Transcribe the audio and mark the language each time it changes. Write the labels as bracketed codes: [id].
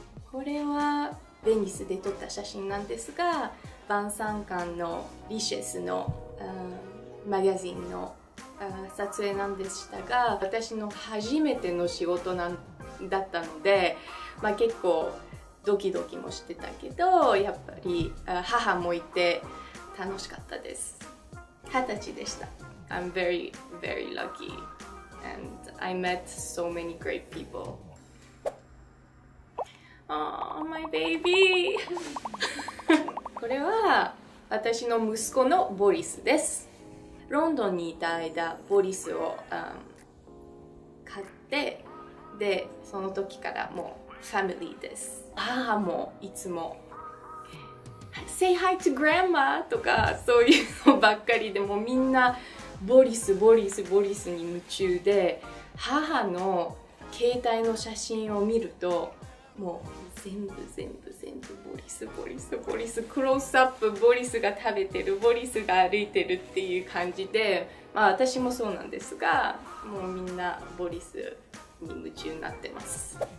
[ja] これはベニスで撮った写真なんですが、晩餐館のリシェスの、マガジンの撮影なんでしたが、私の初めての仕事だったので、まあ結構ドキドキもしてたけど、やっぱり母もいて楽しかったです。 20歳でした。 [en] I'm very very lucky and I met so many great people. Oh my baby. [ja] これは私の息子のボリスです。ロンドンにいた間、ボリスを、買って、で、その時からもうファミリーです。母もいつも、 [en] Say hi to grandma [ja] とか、そういうのばっかりで、もうみんな、ボリス、ボリス、ボリスに夢中で、母の携帯の写真を見ると、もう全部全部全部ボリスボリスボリス、クロスアップ、ボリスが食べてる、ボリスが歩いてるっていう感じで、まあ私もそうなんですが、もうみんなボリスに夢中になってます。